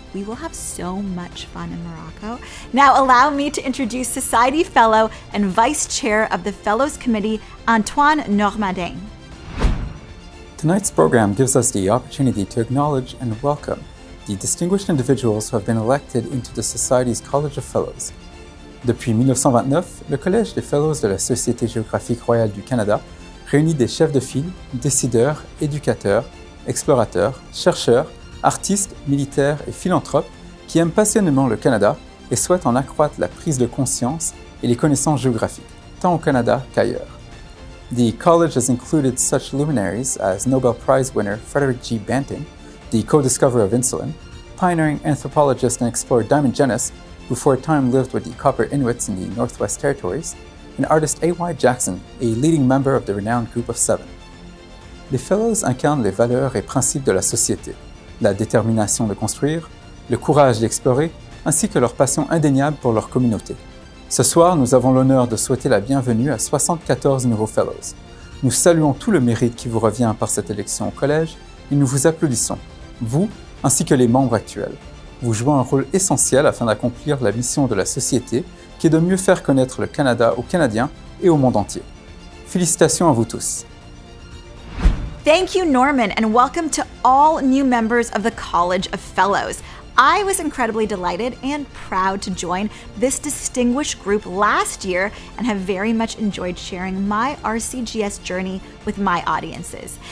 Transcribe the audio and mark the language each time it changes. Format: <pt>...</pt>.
<en>We will have so much fun in Morocco. Now allow me to introduce Society Fellow and Vice Chair of the Fellows Committee, Antoine Normandin. Tonight's program gives us the opportunity to acknowledge and welcome the distinguished individuals who have been elected into the Society's College of Fellows.</en> <fr>Depuis 1929, le Collège des Fellows de la Société Géographique Royale du Canada réunit des chefs de file, décideurs, éducateurs, explorateurs, chercheurs, artistes, militaires et philanthropes qui aiment passionnément le Canada et souhaitent en accroître la prise de conscience et les connaissances géographiques, tant au Canada qu'ailleurs.</fr> <en>The College has included such luminaries as Nobel Prize winner Frederick G. Banting, the co-discoverer of insulin, pioneering anthropologist and explorer Diamond Jenness, who for a time lived with the Copper Inuits in the Northwest Territories, and artist A.Y. Jackson, a leading member of the renowned Group of Seven.</en> <fr>Les Fellows incarnent les valeurs et principes de la société, la détermination de construire, le courage d'explorer, ainsi que leur passion indéniable pour leur communauté. Ce soir, nous avons l'honneur de souhaiter la bienvenue à 74 nouveaux Fellows. Nous saluons tout le mérite qui vous revient par cette élection au Collège et nous vous applaudissons, vous ainsi que les membres actuels. Vous jouez un rôle essentiel afin d'accomplir la mission de la Société qui est de mieux faire connaître le Canada aux Canadiens et au monde entier. Félicitations à vous tous.</fr> <en>Thank you, Norman, and welcome to all new members of the College of Fellows. I was incredibly delighted and proud to join this distinguished group last year and have very much enjoyed sharing my RCGS journey with my audiences.</en>